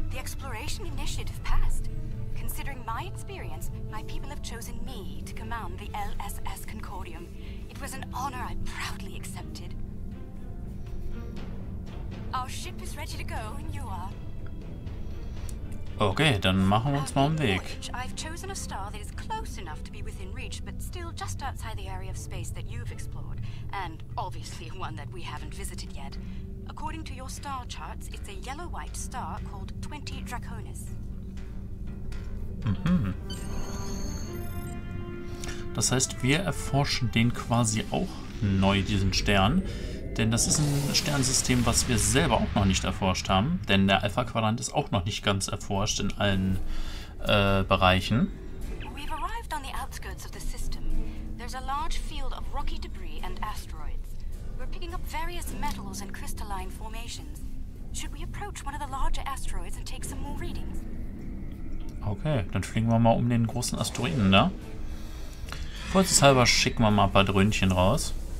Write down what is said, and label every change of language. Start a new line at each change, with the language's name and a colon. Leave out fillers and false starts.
English: The exploration initiative passed. Considering my experience, my people have chosen me to command the LSS Concordium. It was an honor I proudly accepted. Our ship is ready to go and you are.
German: Okay, dann machen wir uns mal einen Weg.
English: I've chosen a star that is close enough to be within reach, but still just outside the area of space that you've explored, and obviously one that we haven't visited yet. According to your star charts, it's a yellow-white star called 20 Draconis. Mhm.
German: Das heißt, wir erforschen den quasi auch neu, diesen Stern. Denn das ist ein Sternsystem, was wir selber auch noch nicht erforscht haben. Denn der Alpha Quadrant ist auch noch nicht ganz erforscht in allen Bereichen.
English: We've arrived on the outskirts of the system. There's a large field of rocky debris and asteroids. We're picking up various metals and crystalline formations. Should we approach one of the larger asteroids and take some more readings?
German: Okay, dann fliegen wir mal um den großen Asteroiden, ne? Vorsichtshalber schicken wir mal ein paar Dröhnchen raus.